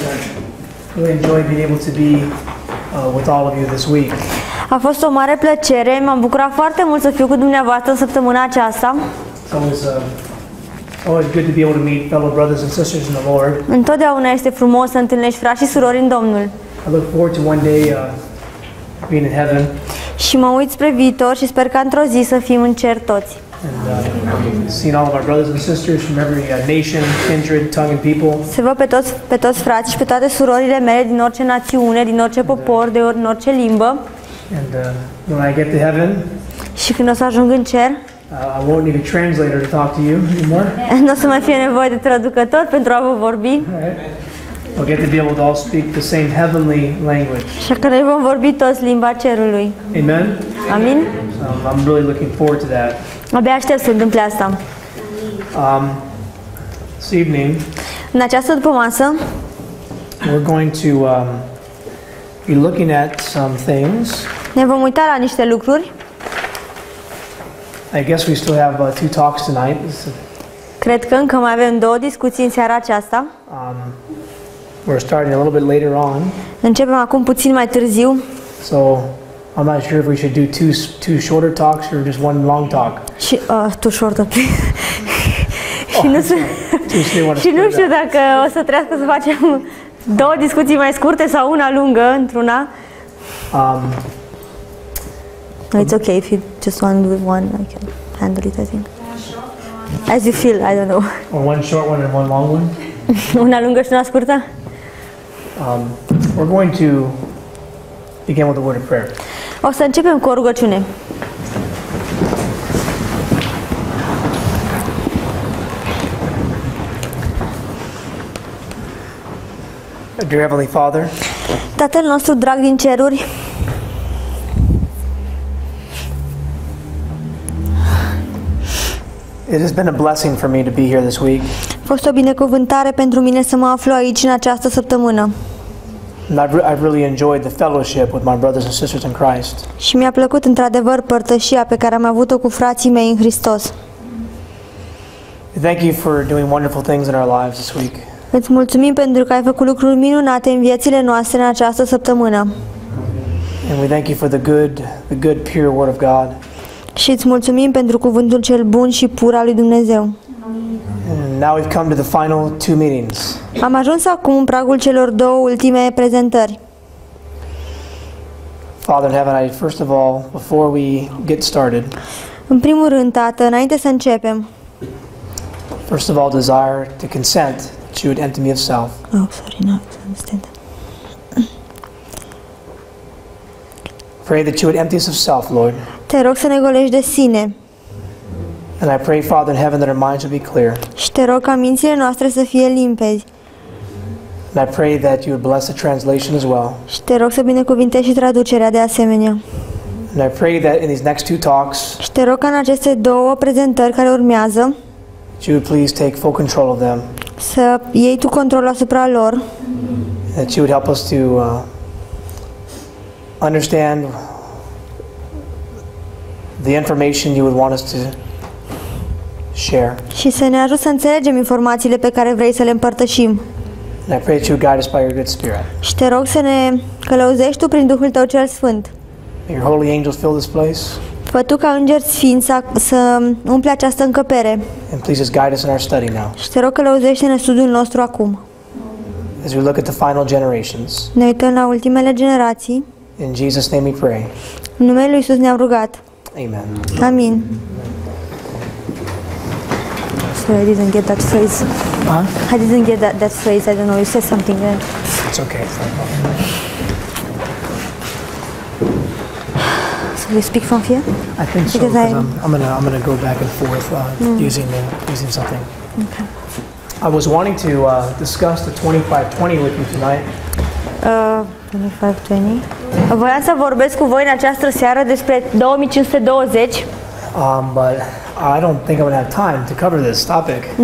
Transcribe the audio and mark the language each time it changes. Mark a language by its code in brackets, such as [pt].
[en] I really enjoyed being able to be with all of you this week. [ro] A fost o mare plăcere, m-am bucurat foarte mult să fiu cu dumneavoastră săptămâna aceasta. [en] So it's always good to be able to meet fellow brothers and sisters in the Lord. [ro] Întotdeauna este frumos să întâlnești frați și surori în Domnul. [en] I look forward to one day being in heaven. [ro] Și mă uit spre viitor și sper ca într-o zi să fim în cer toți. [en] Seeing all of our brothers and sisters from every nation, kindred, tongue and people. [ro] Se văd pe toți frații și pe toate surorile mele din orice națiune, din orice popor, din orice limbă. [en] And when I get to heaven. [ro] Și când o să ajung în cer. [en] I won't need a translator to talk to you anymore. [ro] N-o să mai fie nevoie de traducător pentru a vă vorbi. [en] We'll get to be able to all speak the same heavenly language. [ro] Și că noi vom vorbi toți limba cerului. [en] Amen. [ro] Amin. [en] I'm really looking forward to that. [ro] Abia aștept să întâmple asta. [en] This evening. [ro] În această dupămasă. [en] We're going to be looking at some things. [ro] Ne vom uita la niște lucruri. [en] I guess we still have two talks tonight. [ro] Cred că încă mai avem două discuții în seara aceasta. [en] We're starting a little bit later on. [ro] Începem acum puțin mai târziu. [en] So, I'm not sure if we should do two shorter talks or just one long talk. [ro] Și [en] two shorter. [ro] Și nu știu. Și nu știu dacă o să trească să facem două discuții mai scurte sau una lungă într-una. [en] It's okay if you just want to do one. I can handle it, I think. As you feel, I don't know. Or one short one and one long one? [ro] Una lungă și una scurtă? [en] We're going to begin with a word of prayer. [ro] O să începem cu o rugăciune. [en] Dear Heavenly Father, [ro] Tatăl nostru drag din ceruri, [en] it has been a blessing for me to be here this week. [ro] A fost o binecuvântare pentru mine să mă aflu aici în această săptămână. [en] I've really enjoyed the fellowship with my brothers and sisters in Christ. [ro] Și mi-a plăcut într-adevăr părtășia pe care am avut-o cu frații mei în Hristos. [en] Thank you for doing wonderful things in our lives this week. [ro] Îți mulțumim pentru că ai făcut lucruri minunate în viețile noastre în această săptămână. [en] And we thank you for the good pure word of God. [ro] Și îți mulțumim pentru cuvântul cel bun și pur al lui Dumnezeu. [en] Now we've come to the final two meetings. [ro] Am ajuns acum în pragul celor două ultime prezentări. [en] Father in heaven, I first of all, before we get started. [ro] În primul rând, Tată, înainte să începem. [en] First of all, desire to consent that you would enter me yourself. Oh, sorry, no, I understand. Pray that you would empty us of self, Lord. [ro] Te rog să ne golești de sine. [en] And I pray, Father in heaven, that our minds will be clear. [ro] Și te rog ca mințile noastre să fie limpezi. [en] And I pray that you would bless the translation as well. [ro] Și te rog să binecuvintești și traducerea de asemenea. [en] And I pray that in these next two talks. [ro] Și te rog ca în aceste două prezentări care urmează. [en] You would please take full control of them. [ro] Să iei tu controlul asupra lor. [en] That you would help us to understand the information you would want us to share. [ro] Și să ne ajut să înțelegem informațiile pe care vrei să le împărtășim. [en] And I pray that you guide us by your good spirit. [ro] Și te rog să ne călăuzești tu prin Duhul tău cel sfânt. [en] May your holy angels fill this place. [ro] Fă tu ca îngeri sfinți să umple această încăpere. [en] And please just guide us in our study now. [ro] Și te rog călăuzește-ne studiul nostru acum. [en] As we look at the final generations. [ro] Ne uităm la ultimele generații. [en] In Jesus' name we pray. [ro] În numele lui Iisus ne-am rugat. [en] Amen. [ro] Amin. [en] Sorry, I didn't get that phrase. Huh? I didn't get that phrase. I don't know. You said something then. It's okay. So we speak from here? I think so. Because I'm gonna go back and forth using something. Okay. I was wanting to discuss the 25-20 with you tonight. 25-20. [ro] Voiam să vorbesc cu voi în această seară despre 2520. [en] But I don't think I'm going to have time to cover this topic.